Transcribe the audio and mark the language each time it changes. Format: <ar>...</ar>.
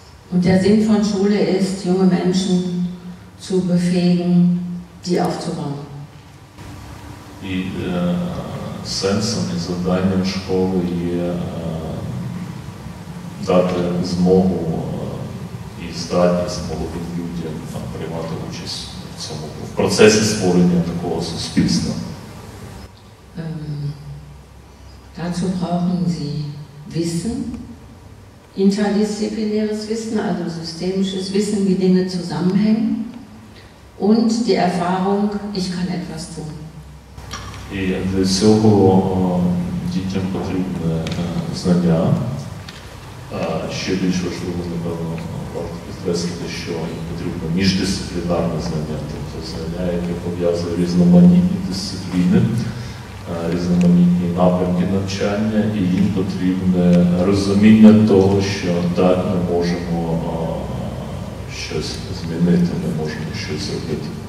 <de>Und der Sinn von Schule ist, junge Menschen zu befähigen, die aufzubauen.</de> <uk>І сенсом і завданням школи є дати змогу і здатність молодим людям приймати участь в цьому, в процесі створення такого суспільства.</uk> <de>Dazu brauchen Sie Wissen, interdisziplinäres Wissen, also systemisches Wissen, wie Dinge zusammenhängen. Und die Erfahrung, ich kann etwas tun.</de> <uk>І для цього дітям потрібне знання, Ще більш важливо, напевно, варто підкреслити, що потрібно міждисциплінарне знання, тобто знання, яке пов'язує різноманітні дисципліни, різноманітні напрямки навчання, і їм потрібне розуміння того, що так, ми можемо щось змінити, ми можемо щось зробити.</uk>